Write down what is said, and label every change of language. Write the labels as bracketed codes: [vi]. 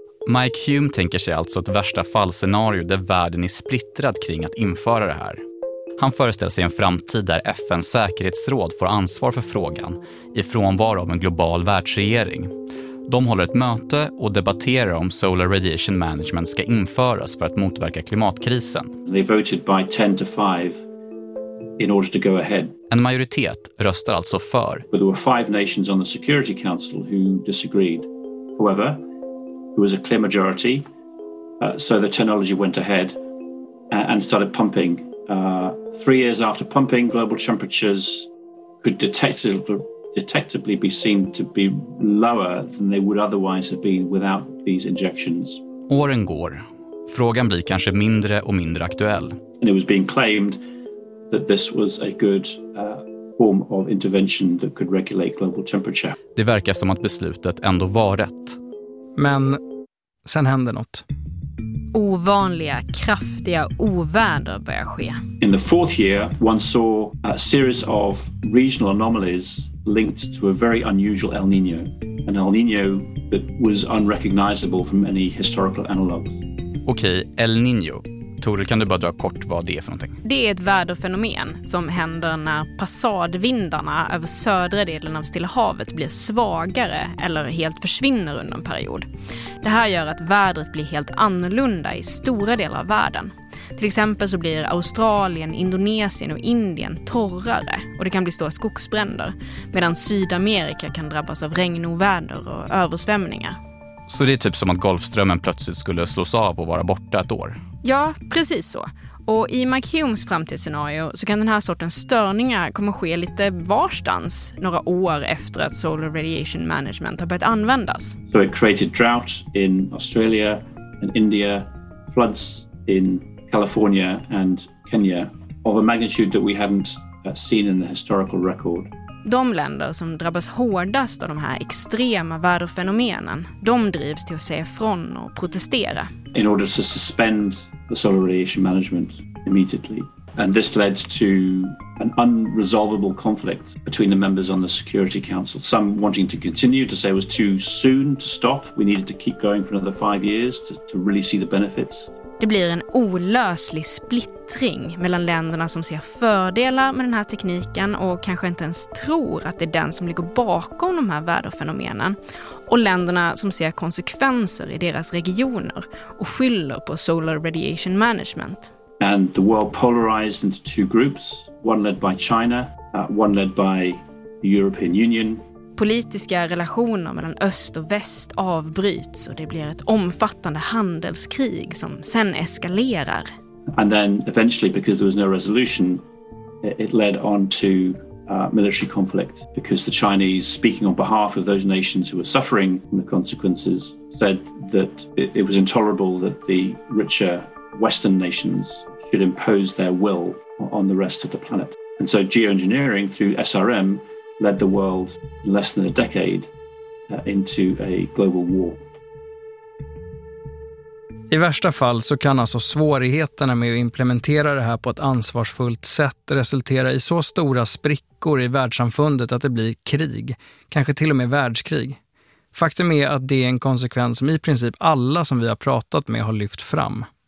[sv] Mike Hume tänker sig alltså ett värsta fallscenario där världen är splittrad kring att införa det här. Han föreställer sig en framtid där FNs säkerhetsråd får ansvar för frågan i frånvaro av en global världsregering. De håller ett möte och debatterar om solar radiation management ska införas för att motverka klimatkrisen. [en] They voted by 10-5 in order to go ahead. [sv] En majoritet röstar alltså för. [en] But there were 5 nations on the Security Council who disagreed. However, it was a clear majority, so the technology went ahead and started pumping. 3 years after pumping, global temperatures could detectably be seen to be lower than they would otherwise have been without these injections. [sv] Åren går. Frågan blir kanske mindre och mindre aktuell. [en] And it was being claimed that this was a good form of intervention that could regulate global temperature. [sv] Det verkar som att beslutet ändå var rätt. Men sen händer något. Ovanliga, kraftiga oväder börjar ske. [en] In the fourth year, one saw a series of regional anomalies linked to a very unusual El Niño. An El Niño that was unrecognizable from any historical analogs. [sv] Okej, El Niño. Toril, kan du bara dra kort vad det är för någonting? Det är ett väderfenomen som händer när passadvindarna över södra delen av Stilla havet blir svagare eller helt försvinner under en period. Det här gör att vädret blir helt annorlunda i stora delar av världen. Till exempel så blir Australien, Indonesien och Indien torrare och det kan bli stora skogsbränder. Medan Sydamerika kan drabbas av regnoväder och översvämningar. Så det är typ som att Golfströmmen plötsligt skulle slås av och vara borta ett år? Ja, precis så. Och i Mike Humes framtidsscenario så kan den här sortens störningar komma ske lite varstans några år efter att solar radiation management har börjat användas. [en] So it created drought in Australia and India, floods in California and Kenya of a magnitude that we hadn't seen in the historical record. [sv] De länder som drabbas hårdast av de här extrema väderfenomenen, de drivs till att säga ifrån och protestera. [en] In order to suspend the solar radiation management immediately. And this led to an unresolvable conflict between the members on the Security Council. Some wanting to continue, to say it was too soon to stop. We needed to keep going for another 5 years to really see the benefits. [sv] Det blir en olöslig splittring mellan länderna som ser fördelar med den här tekniken och kanske inte ens tror att det är den som ligger bakom de här väderfenomenen. Och länderna som ser konsekvenser i deras regioner och skyller på solar radiation management. [en] And the world polarized into two groups, one led by China, one led by the European Union. [sv] Politiska relationer mellan öst och väst avbryts och det blir ett omfattande handelskrig som sen eskalerar. [en] And then eventually because there was no resolution it led on to military conflict because the Chinese speaking on behalf of those nations who were suffering from the consequences said that it was intolerable that the richer western nations should impose their will on the rest of the planet. And so geoengineering through SRM led the world in less than a decade into a global war. [sv] I värsta fall så kan alltså svårigheterna med att implementera det här på ett ansvarsfullt sätt resultera i så stora sprickor i världssamfundet att det blir krig, kanske till och med världskrig. Faktum är att det är en konsekvens som i princip alla som vi har pratat med har lyft fram.